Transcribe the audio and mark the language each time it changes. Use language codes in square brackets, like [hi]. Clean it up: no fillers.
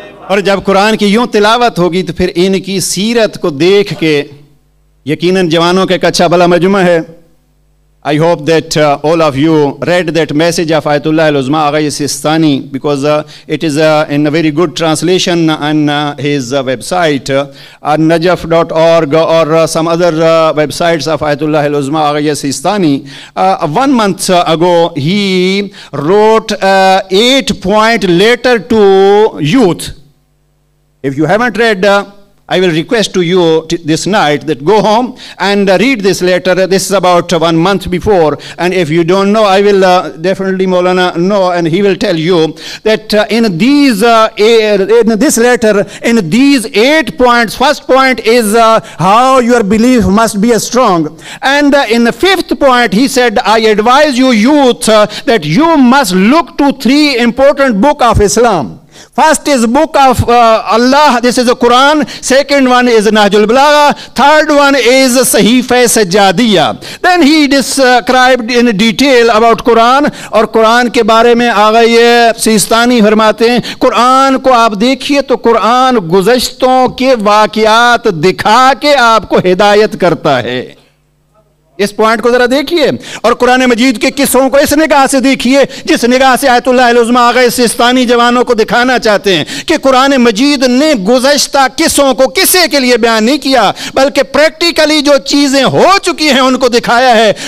[ur] اور جب قرآن کی یوں تلاوت ہوگی تو پھر ان کی سیرت کو دیکھ کے یقیناً جوانوں کے ایک اچھا بلا مجمع ہے, [en] I hope that all of you read that message of Ayatollah Uzma Agha Sistani, because it is in very good translation on his website Najaf dot org or some other websites of Ayatollah Uzma Agha Sistani. One month ago he wrote 8-point letter to youth. If you haven't read, I will request to you this night that go home and read this letter. This is about 1 month before. And if you don't know, I will definitely Maulana know, and he will tell you that in this letter, in these 8 points, first point is how your belief must be strong. And in the fifth point, he said, I advise you youth that you must look to 3 important book of Islam. First is book of Allah, this is a Quran. Second one is Nahjul Balagha. Third one is Sahifah Sajjadiyah. Then he described in detail about Quran. [ur] اور قرآن کے بارے میں آغای سیستانی فرماتے ہیں, قرآن کو آپ دیکھیے تو قرآن گزشتوں کے واقعات دکھا کے آپ کو ہدایت کرتا ہے. اس پوائنٹ کو ذرا دیکھیے اور قرآن مجید کے قصوں کو اس نگاہ سے دیکھیے جس نگاہ سے آیت اللہ العظمیٰ آغا سیستانی جوانوں کو دکھانا چاہتے ہیں کہ قرآن مجید نے گزشتہ قصوں کو کسی کے لیے بیان نہیں کیا بلکہ پریکٹیکلی جو چیزیں ہو چکی ہیں ان کو دکھایا ہے.